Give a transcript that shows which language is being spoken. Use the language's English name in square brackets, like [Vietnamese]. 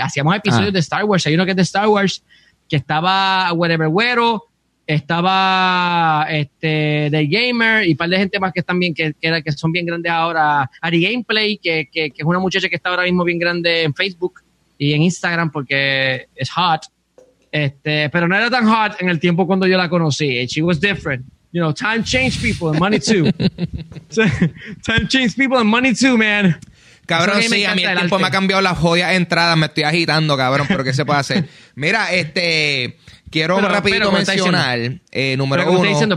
[Spanish] Hacíamos episodios de Star Wars. Hay uno que es de Star Wars, que estaba Whatever Güero, estaba The Gamer y un par de gente más que están bien, que son bien grandes ahora. Ari Gameplay, que es una muchacha que está ahora mismo bien grande en Facebook y en Instagram porque es hot. Pero no era tan hot en el tiempo cuando yo la conocí. [English] She was different. You know, time changed people and money too. Time changed people and money too, man. [Spanish] Cabrón, sí, a mí el tiempo me ha cambiado las joyas entradas. Me estoy agitando, cabrón, pero ¿qué se puede hacer? Mira, quiero rapidito mencionar, número uno...